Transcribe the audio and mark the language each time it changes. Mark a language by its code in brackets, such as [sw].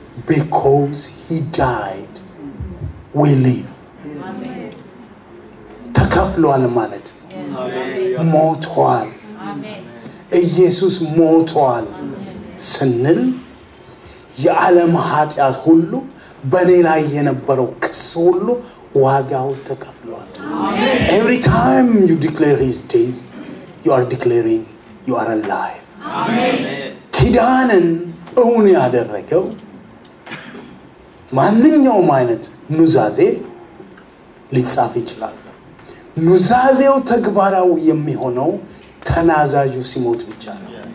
[en] because he died we live [am] ተከፍሏል ማለት ነው። ሞቷል። አሜን። ኢየሱስ ሞቷል ስንል የዓለም ኃጢአት ሁሉ በኔ ላይ የነበረው ክስ ሁሉ ዋጋው ተከፍሏል። አሜን። [en] Every time you declare his death you are declaring you are alive. [am] አሜን። ኪዳንን እውን ያደረገው ማንኛውም አይነት ኑዛዜ ሊጻፍ ይችላል። ኑዛዜው ተግባራው የሚሆነው ተናዛዡ ሲሞት ብቻ ነው።